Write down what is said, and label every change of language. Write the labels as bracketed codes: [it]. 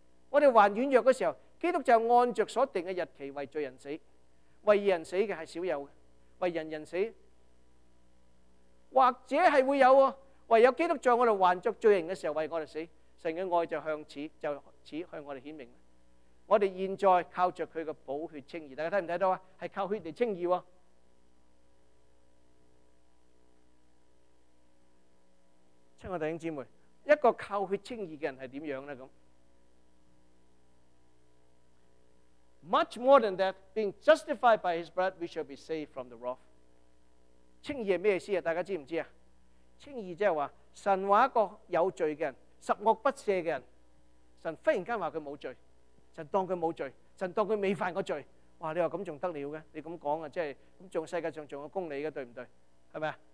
[zh] 我们还软弱的时候，基督就按着所定的日期为罪人死，为义人死的是少有的，为人死或者是会有的，唯有基督在我们还着罪人的时候为我们死，神的爱就向此向我们显明。我们现在靠着他的宝血称义，大家看不看到，是靠血来称义。亲爱的弟兄姊妹，一个靠血称义的人是怎样呢？ [en] Much more than that, being justified by His blood, we shall be saved from the wrath. [zh] 清義是什麼意思？大家知不知道？清義就是說神說一個有罪的人，十惡不赦的人，神忽然間說他沒有罪，神當他沒有罪，神當他未犯過罪。哇，你說這樣還得了的？你這樣說，即是世界上還有公理的，對不對？是不是？